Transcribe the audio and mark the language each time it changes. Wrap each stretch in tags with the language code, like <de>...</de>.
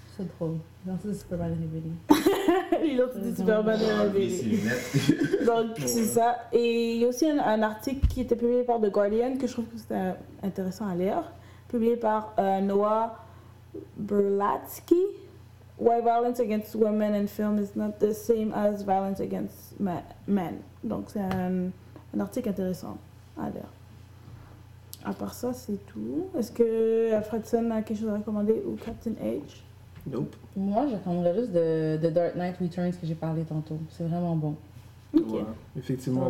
<fr>C'est drôle. L'identité de Superman est révélée. L'identité de Superman est révélée. Donc, c'est ouais. ça. Et il y a aussi un article qui était publié par The Guardian, que je trouve que c'était intéressant à lire, publié par Noah Berlatsky.</fr> <en>Why violence against women in film is not the same as violence against men.</en> <fr>Donc, c'est un article intéressant à lire. À part ça, c'est tout. Est-ce que Fredson a quelque chose à recommander ou Captain H?</fr> <en>Nope.</en> <fr>Moi, je recommanderais juste de Dark Knight Returns que j'ai parlé tantôt. C'est vraiment bon. Ok. Ouais, effectivement.</fr>